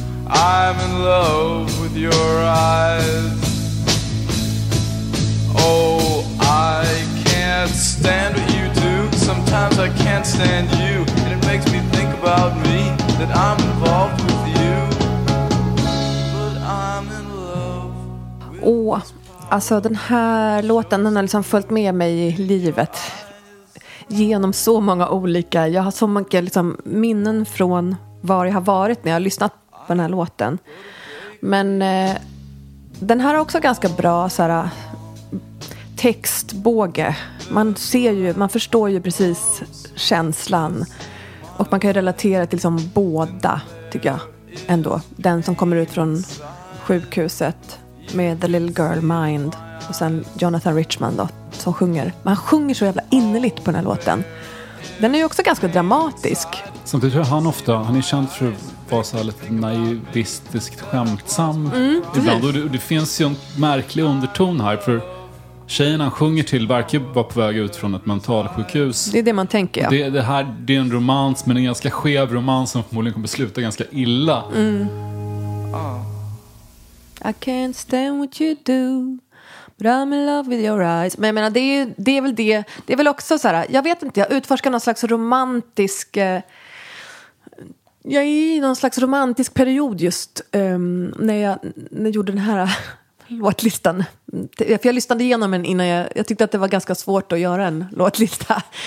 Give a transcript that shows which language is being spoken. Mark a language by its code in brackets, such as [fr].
[en] I'm in love with your eyes. Oh, I can't stand what you do. Sometimes I can't stand you, and it makes me think about me, that I'm involved with you. But I'm in love with... [sv] Oh, alltså den här låten, den har liksom följt med mig i livet genom så många olika... Jag har så många liksom minnen från var jag har varit när jag har lyssnat på den här låten. Men den här har också ganska bra så här textbåge. Man ser ju, man förstår ju precis känslan. Och man kan ju relatera till liksom båda, tycker jag, ändå. Den som kommer ut från sjukhuset med The Little Girl Mind, och sen Jonathan Richman då, som sjunger. Man sjunger så jävla innerligt på den här låten. Den är ju också ganska dramatisk. Samtidigt tror jag han ofta, han är känd för att vara så här lite naivistiskt skämtsam. Mm, ibland. Och det finns ju en märklig underton här, för tjejen han sjunger till verkar vara på väg ut från ett mentalsjukhus. Det är det man tänker, ja. Det här är en romans, men en ganska skev romans som förmodligen kommer sluta ganska illa. [en] I can't stand what you do, but I'm in love with your eyes. [sv] Men jag menar, det är väl det. Det är väl också så här, jag vet inte, jag utforskar någon slags romantisk... jag är i någon slags romantisk period just när jag gjorde den här låtlistan. För jag lyssnade igenom den innan jag tyckte att det var ganska svårt att göra en låtlista.